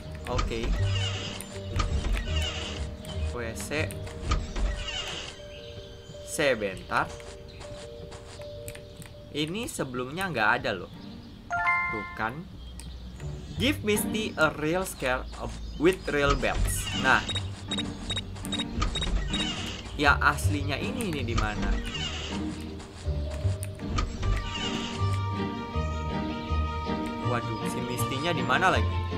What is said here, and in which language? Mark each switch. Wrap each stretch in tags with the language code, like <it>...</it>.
<id>Okay. WC. Sebentar. Ini sebelumnya nggak ada loh. Tuh kan.</id> <en>Give Misty a real scare with real bells.</en> <id>Nah, ya aslinya ini di mana? Waduh, si Misty-nya di mana lagi?</id>